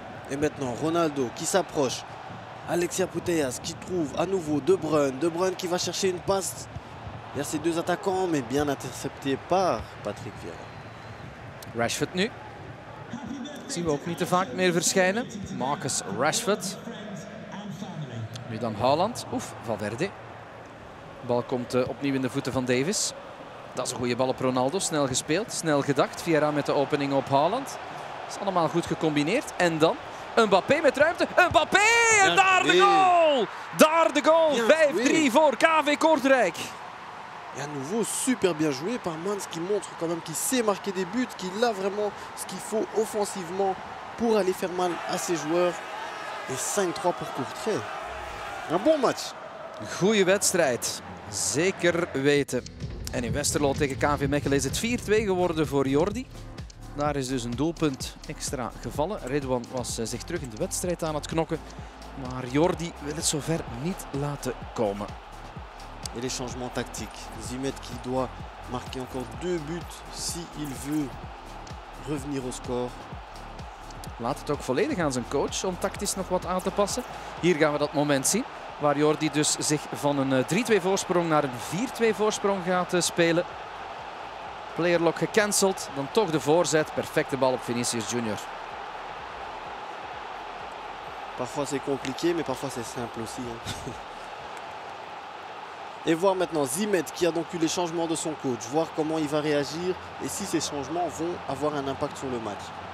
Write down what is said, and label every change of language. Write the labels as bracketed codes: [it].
[fr] En maintenant Ronaldo qui s'approche. Alexia Putellas qui trouve à nouveau De Bruyne. De Bruyne qui va chercher une passe vers ses deux attaquants, mais bien intercepté par Patrick Vieira. [nl] Rashford nu. Zien we ook niet te vaak meer verschijnen. Marcus Rashford. Nu dan Haaland. Oef, Valverde. De bal komt opnieuw in de voeten van Davis. Dat is een goede bal op Ronaldo. Snel gespeeld, snel gedacht. Vieira met de opening op Haaland. Dat is allemaal goed gecombineerd. En dan Mbappé met ruimte. Mbappé! En daar de goal! Daar de goal! 5-3 voor KV Kortrijk. [fr] Et à nouveau, super bien joué par Mans qui montre quand même qu'il sait marquer des buts, qu'il a vraiment ce qu'il faut offensivement pour aller faire mal à ses joueurs. Et 5-3 pour Courtrai. Un bon match. [nl] Goeie wedstrijd. Zeker weten. En in Westerlo tegen KV Mechelen is het 4-2 geworden voor Jordi. Daar is dus een doelpunt extra gevallen. Ridwan was zich terug in de wedstrijd aan het knokken. Maar Jordi wil het zover niet laten komen. [fr] Et les changements tactiques. Zimet qui doit marquer encore deux buts s'il veut revenir au score. [nl] Laat het ook volledig aan zijn coach om tactisch nog wat aan te passen. Hier gaan we dat moment zien waar Jordi dus zich van een 3-2 voorsprong naar een 4-2 voorsprong gaat spelen. Playerlock gecanceld, dan toch de voorzet. Perfecte bal op Vinicius Junior. [fr] Parfois c'est compliqué, mais parfois c'est simple aussi. Hein. Et voir maintenant Zimet qui a donc eu les changements de son coach, voir comment il va réagir et si ces changements vont avoir un impact sur le match.